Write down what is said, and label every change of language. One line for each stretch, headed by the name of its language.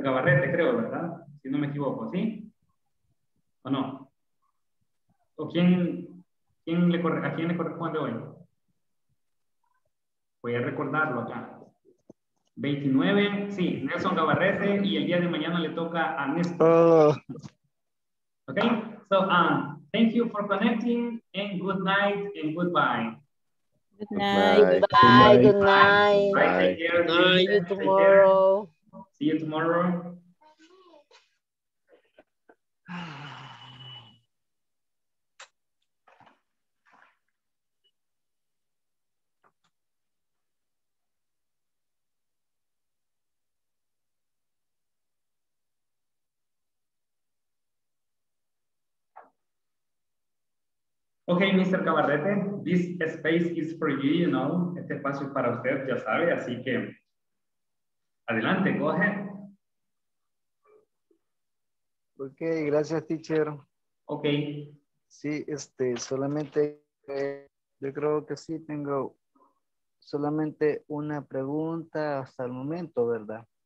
Spanish: Gabarrete, creo, ¿verdad? Si no me equivoco, ¿sí? ¿O no? ¿O a quién le corresponde hoy? Voy a recordarlo acá. 29, sí, Nelson Gabarrete, y el día de mañana le toca a Néstor.
English: Ok, so thank you for connecting, and good night and goodbye. Good night. Bye. Good night. Bye. Take care. Good night. See you tomorrow. See you tomorrow. Okay, Mr. Gabarrete, this space is for you, you know.
Spanish: Este espacio es para usted, ya sabe, así que adelante,
English: go ahead.
Spanish: Okay, gracias, teacher. Okay. Sí, solamente, yo creo que sí tengo solamente una pregunta hasta el momento, ¿verdad?